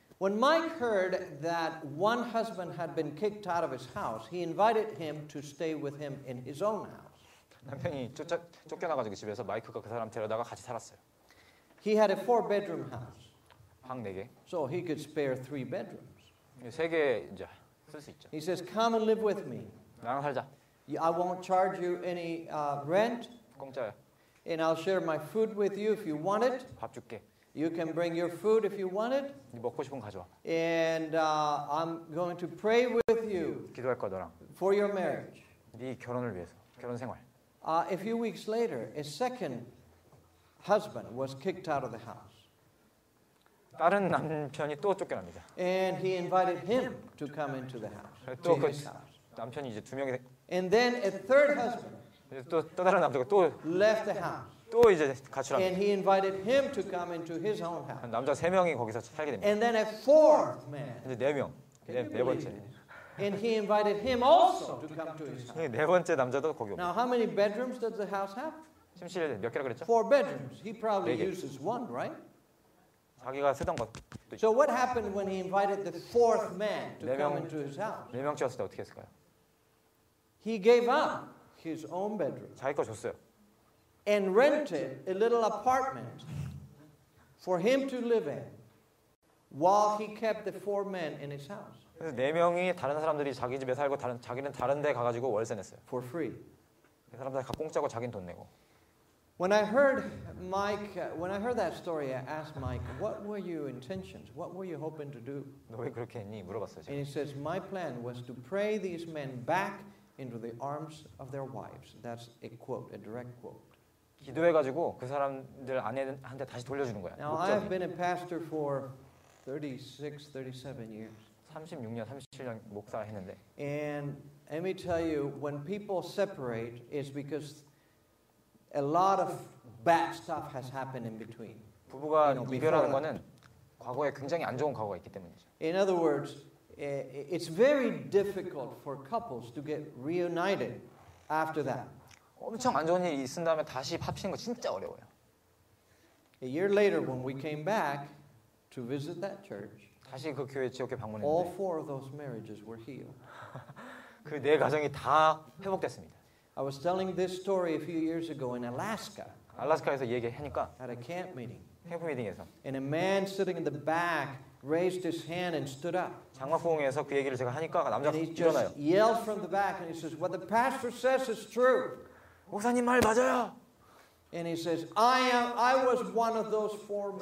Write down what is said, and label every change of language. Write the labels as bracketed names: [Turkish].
[English] When Mike heard that one husband had been kicked out of his house, he invited him to stay with him in his own house. [Korean] 남편이 쫓겨나가지고 집에서 마이크가 그 사람 데려다가 같이 살았어요. [English] He had a 4-bedroom house. [Korean] 방 4개. [English] So he could spare 3 bedrooms. [Korean] 3개 이제 쓸 수 있죠. [English] He says, come and live with me. [Korean] 나랑 살자. [English] I won't charge you any rent. [Korean] 공짜야. [English] And I'll share my food with you if you want it. [Korean] 밥 줄게. [English] You can bring your food if you want it. [Korean] 네 먹고 싶은 거 가져와. [English] And I'm going to pray with you. [Korean] 기도할 거야, 너랑. [English] For your marriage. [Korean] 네 결혼을 위해서. 결혼 생활. [English] A few weeks later, a second husband was kicked out of the house. [Korean] 다른 남편이 또 쫓겨납니다. [English] And he invited him to come into the house. [Korean] 또 그 남편이 이제 두 명이 [English] And then a third husband. [Korean] 또 다른 남자가 또 [English] left the house. [Korean] 또 이제 가출합니다. [English] And he invited him to come into his own house. [Korean] 남자 세 명이 거기서 살게 됩니다. [English] And then a fourth man. [Korean] 이제 네 명. 네 번째. [English] And he invited him also to come to his house. [Korean] 네 번째 남자도 거기 옵니다. [English] Now, how many bedrooms does the house have? [Korean] 침실 몇 개라고 그랬죠? [English] 4 bedrooms. He probably uses one, right? [Korean] 자기가 쓰던 것. [English] So what happened when he invited the fourth man to come into his house? [Korean] 네 명 채웠을 때 어떻게 했을까요? [English] He gave up his own bedroom. [Korean] 자기 거 줬어요. [English] And rented a little apartment for him to live in while he kept the four men in his house. [Korean] 그래서 네 명이 다른 사람들이 자기 집에 살고 다른 자기는 다른 데 가 가지고 월세 냈어요. [English] For free. [Korean] 그 사람들 다 공짜고 자기는 돈 내고. [English] When I heard Mike, when I heard that story, I asked Mike, "What were your intentions? What were you hoping to do?" [Korean] 너 왜 그렇게 했니? 물어봤어요. 제가. [English] And he says, "My plan was to pray these men back into the arms of their wives." That's a quote, a direct quote. [Korean] 기도해가지고 그 사람들 아내한테 다시 돌려주는 거야. [English] Now I've been a pastor for 36, 37 years. [Korean] 36년, 37년 목사했는데. [English] And let me tell you, when people separate, it's because a lot of bad stuff has happened in between. [Korean] 부부가 이별하는 거는 과거에 굉장히 안 좋은 과거가 있기 때문이죠. [English] In other words, it's very difficult for couples to get reunited after that. [Korean] 엄청 안 좋은 일이 있은 다음에 다시 합치는 거 진짜 어려워요. [English] A year later, when we came back to visit that church, [Korean] 다시 그 교회 지역에 방문했는데, [English] all four of those marriages were healed. [Korean] 그 네 가정이 다 회복됐습니다. [English] I was telling this story a few years ago in Alaska. [Korean] 알래스카에서 얘기하니까. [English] At a camp meeting. [Korean] 캠프 미팅에서. [English] And a man sitting in the back raised his hand and stood up. [Korean] 장막부흥에서 그 얘기를 제가 하니까 남자가 일어나요. [English] And he just yelled from the back and he says, "What the pastor says is true." [Korean] 목사님 말 맞아요. [English] And he says, "I was one of those four men."